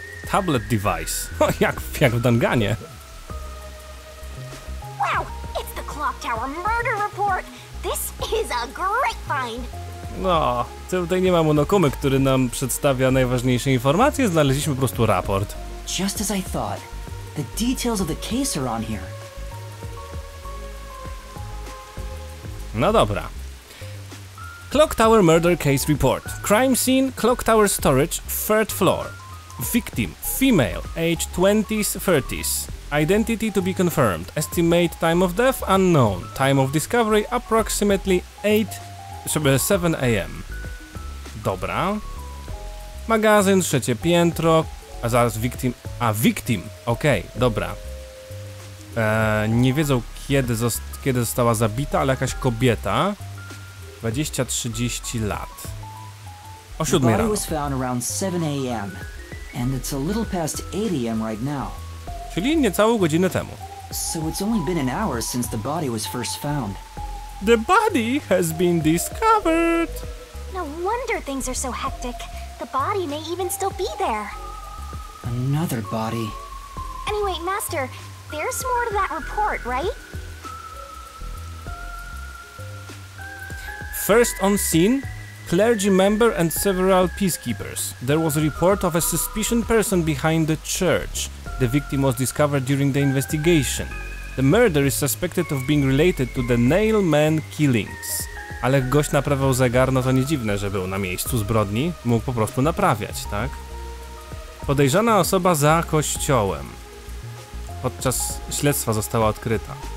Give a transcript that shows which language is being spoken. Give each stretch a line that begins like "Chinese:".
English: Tablet device.
Polish: O, jak w Danganie.
English: Wow, it's the Clock Tower murder report. This is a great find.
Polish: No, tutaj nie ma Monokumy, który nam przedstawia najważniejsze informacje. Znaleźliśmy po prostu raport.
English: Just as I thought. The details of the case are on here.
Polish: No dobra.
English: Clock Tower Murder Case Report. Crime Scene, Clock Tower Storage, 3rd Floor. Victim, female, age 20s-30s. Identity to be confirmed. Estimate time of death, unknown. Time of discovery, approximately 7 a.m.
Polish: Dobra. Magazyn, trzecie piętro. A zaraz victim. A, victim. Okej, okay, dobra. Nie wiedzą, kiedy została zabita, ale jakaś kobieta. 20-30 lat. O 7 rano.
English: The body was found around 7 a.m. and it's a little past 8 a.m. right now.
Polish: Czyli niecałą godzinę temu.
English: So it's only been an hour since the body was first found. The body has been discovered. No wonder things are so hectic. The body may even still be there. Another body. Anyway, Master, there's more to that report, right? First on scene, clergy member and several peacekeepers. There was a report of a suspicious person behind the church. The victim was discovered during the investigation. The murder is suspected of being related to the nail man killings.
Polish: Ale gość naprawiał zegar, no to nie dziwne, że był na miejscu zbrodni. Mógł po prostu naprawiać, tak? Podejrzana osoba za kościołem. Podczas śledztwa została odkryta.